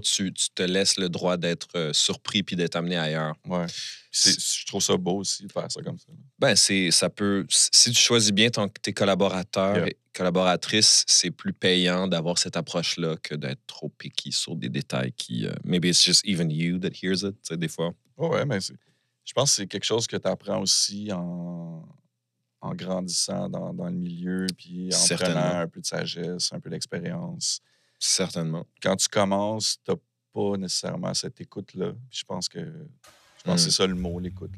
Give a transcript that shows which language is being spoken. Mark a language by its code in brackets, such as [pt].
[fr] Tu te laisses le droit d'être surpris puis d'être amené ailleurs. Oui. Je trouve ça beau aussi de faire ça comme ça. Ben c'est ça peut... Si tu choisis bien tes collaborateurs et collaboratrices, c'est plus payant d'avoir cette approche-là que d'être trop picky sur des détails qui... [en] maybe it's just even you that hears it, [fr] tu sais, des fois. Oh oui, mais c'est... Je pense que c'est quelque chose que tu apprends aussi en grandissant dans le milieu, puis en prenant un peu de sagesse, un peu d'expérience. Certainement. Quand tu commences, tu n'as pas nécessairement cette écoute-là. Je pense que c'est ça le mot, l'écoute.